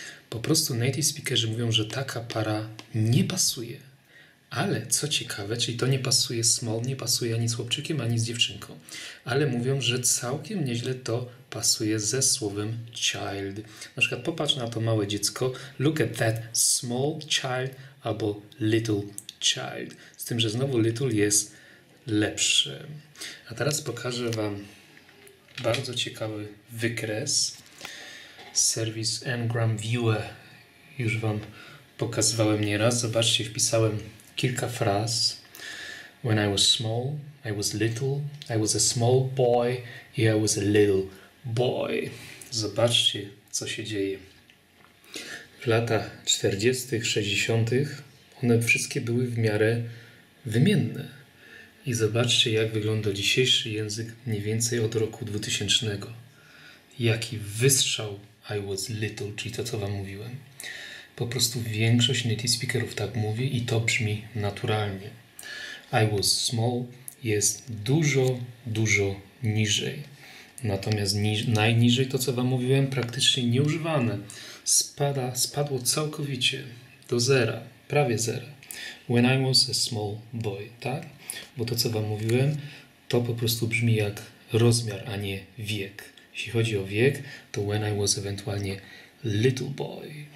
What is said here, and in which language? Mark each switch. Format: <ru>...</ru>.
<pl>Po prostu native speakerzy mówią, że taka para nie pasuje. Ale co ciekawe, czyli to nie pasuje small, nie pasuje ani z chłopczykiem, ani z dziewczynką. Ale mówią, że całkiem nieźle to pasuje ze słowem child. Na przykład popatrz na to małe dziecko.</pl> <en>Look at that small child</en> <pl>albo</pl> <en>little child.</en> <pl>Z tym, że znowu little jest lepsze. A teraz pokażę wam bardzo ciekawy wykres. Serwis Ngram Viewer. Już wam pokazywałem nieraz. Zobaczcie, wpisałem kilka fraz.</pl> <en>When I was small, I was little, I was a small boy, yeah, I was a little boy.</en> <pl>Zobaczcie, co się dzieje. W latach 40., 60. one wszystkie były w miarę wymienne. I zobaczcie, jak wygląda dzisiejszy język mniej więcej od roku 2000. Jaki wystrzał</pl> <en>I was little,</en> <pl>czyli to, co wam mówiłem. Po prostu większość native speakerów tak mówi i to brzmi naturalnie.</pl> <en>I was small</en> <pl>jest dużo, dużo niżej. Natomiast najniżej, to co wam mówiłem, praktycznie nieużywane. Spadło całkowicie do zera, prawie zera.</pl> <en>When I was a small boy, tak?</en> <pl>Bo to co wam mówiłem, to po prostu brzmi jak rozmiar, a nie wiek. Jeśli chodzi o wiek, to</pl> <en>when I was</en> <pl>ewentualnie</pl> <en>little boy.</en>